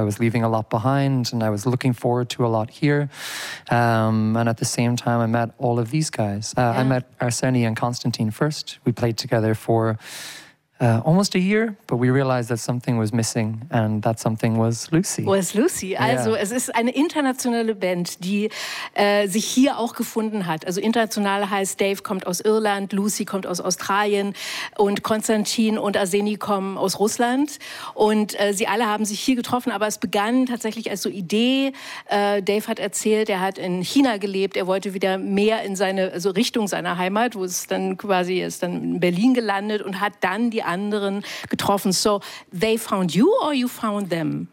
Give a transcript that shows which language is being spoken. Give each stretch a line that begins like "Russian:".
English: I was leaving a lot behind and I was looking forward to a lot here. And at the same time, I met all of these guys. I met Arseni and Constantine first. We played together for almost a year, but we realized that something was missing, and that something was Lucy.
German: Also es ist eine internationale Band, die sich hier auch gefunden hat. Also international heißt, Dave kommt aus Irland, Lucy kommt aus Australien und Konstantin und Arseni kommen aus Russland. Und sie alle haben sich hier getroffen, aber es begann tatsächlich als so Idee. Dave hat erzählt, er hat in China gelebt, er wollte wieder mehr in seine, also Richtung seiner Heimat, wo es dann quasi ist, dann in Berlin gelandet und hat dann die anderen getroffen.
English: So they found you or you found them?